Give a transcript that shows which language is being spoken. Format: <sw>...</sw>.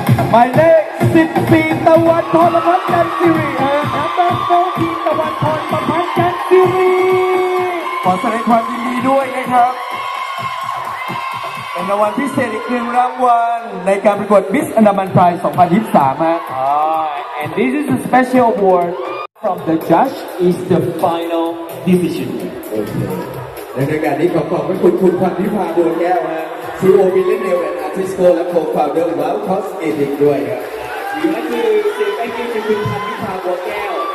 <th>หมายเลข 14ตะวันทรพันธ์กันซีรีส์ฮะขอแสดงความยินดีด้วยนะครับเป็นรางวัลพิเศษอีกหนึ่งรางวัลในการประกวด Miss Annamalai 2023ฮะ</th> <en>and this is a special award from the judge is the final decision</en> <th>โอเคในการนี้ขอขอบพระคุณคุณพันธิพาบัวแก้วฮะ CEO Billionaire and Artisto และ Co-founder Wow Cosmetic ด้วยครับ ขอบคุ ณ</th> <en>thank you</en> <th>คุณพันธิพาบัวแก้ว</th>